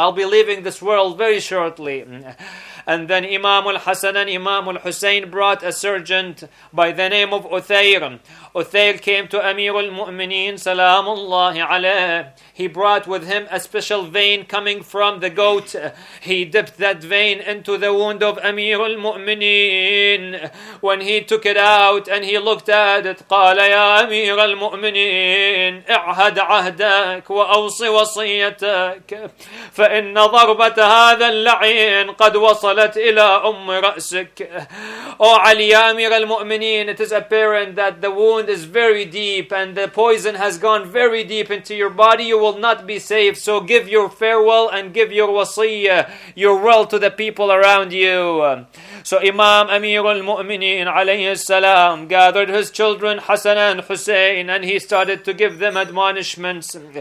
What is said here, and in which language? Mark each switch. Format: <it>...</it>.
<en>I'll be leaving this world very shortly. And then Imam al-Hasan and Imam al-Hussein brought a surgeon by the name of Uthayr. Uthayr came to Amir al-Mu'mineen, salamullahi alayh. He brought with him a special vein coming from the goat. He dipped that vein into the wound of Amir al-Mu'mineen. When he took it out and he looked at it,</en> <ar>قَالَ يَا أَمِيرَ الْمُؤْمِنِينَ اِعْهَدْ عَهْدَكَ وَأَوْصِ وَصِيَّتَكَ فَإِنَّ ضَرْبَةَ هَذَا اللَّعِينَ قَدْ وَصَلَتْ إِلَىٰ أُمِّ رَأْسِكَ.</ar> <en>Oh, Ali, Ya Amir al-Mu'mineen, it is apparent that the wound is very deep and the poison has gone very deep into your body. You will not be safe, so give your farewell and give your wasiyya, your will to the people around you. So Imam Amir al-Mu'mineen alayhi salam gathered his children Hassan and Hussein and he started to give them admonishments.</en>